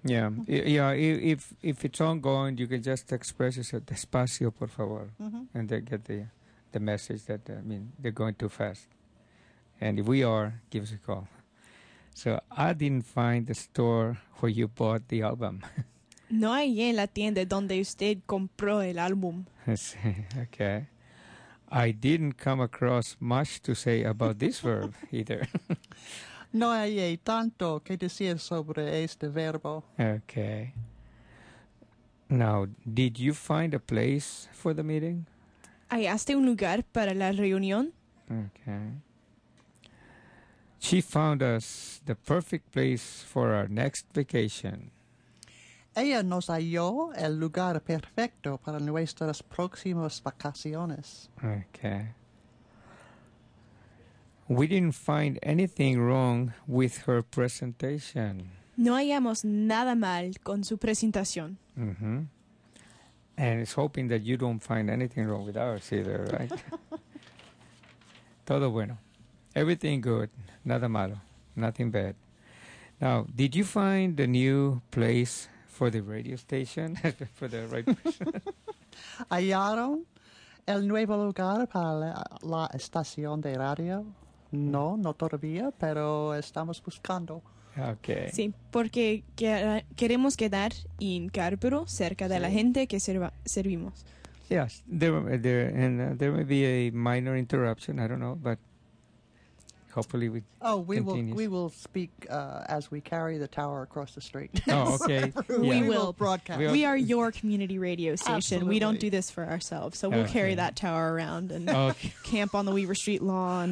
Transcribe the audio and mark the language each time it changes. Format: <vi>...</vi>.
<en>Yeah. Mm-hmm. Yeah. If it's ongoing, you can just express yourself, despacio, por favor, mm-hmm. and they get the message that, I mean, they're going too fast. And if we are, give us a call. So I didn't find the store where you bought the album.</en> <es>No hay en la tienda donde usted compró el álbum.</es> <en>Okay. I didn't come across much to say about this verb either.</en> <es>No hay tanto que decir sobre este verbo.</es> <en>Okay. Now, did you find a place for the meeting?</en> <es>¿Hallaste un lugar para la reunión?</es> <en>Okay. She found us the perfect place for our next vacation.</en> <es>Ella nos halló el lugar perfecto para nuestras próximas vacaciones.</es> <en>Okay. We didn't find anything wrong with her presentation.</en> <es>No hallamos nada mal con su presentación. Mm-hmm.</es> <en>And it's hoping that you don't find anything wrong with ours either, right?</en> <es>Todo bueno. Everything good. Nada malo. Nothing bad.</es> <en>Now, did you find the new place for the radio station? For the right person?</en> <es>¿Hallaron el nuevo lugar para la estación de radio? No, no todavía, pero estamos buscando.</es> <en>Okay.</en> <es>Sí, porque queremos quedar en Carpero cerca de sí. la gente que servimos.</es> <en>Yes, there may be a minor interruption, I don't know, but hopefully we continue. We will speak as we carry the tower across the street. Oh, okay. we will broadcast. We are your community radio station. Absolutely. We don't do this for ourselves, so we'll carry that tower around and camp on the Weaver Street lawn.</en>